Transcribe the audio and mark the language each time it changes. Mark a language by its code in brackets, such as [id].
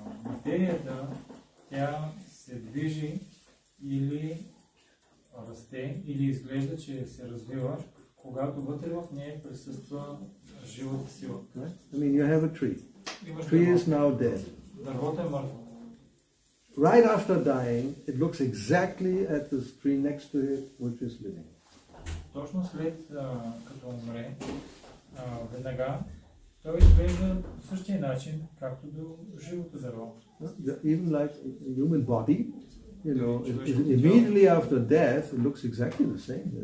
[bg] Материята, тя се движи или расте, или изглежда, че се развива, когато вътре в нея присъства живата сила. [en] Right? I mean, you have a tree. Tree is now dead. [bg] Дървото е мъртво. [en] Right after dying, it looks exactly at the tree next to it, which is living. [bg] Точно след като умре, веднага, то изглежда по същия начин, както до живото дърво. [en] Even like a human body, you know, immediately after death, it looks exactly the same.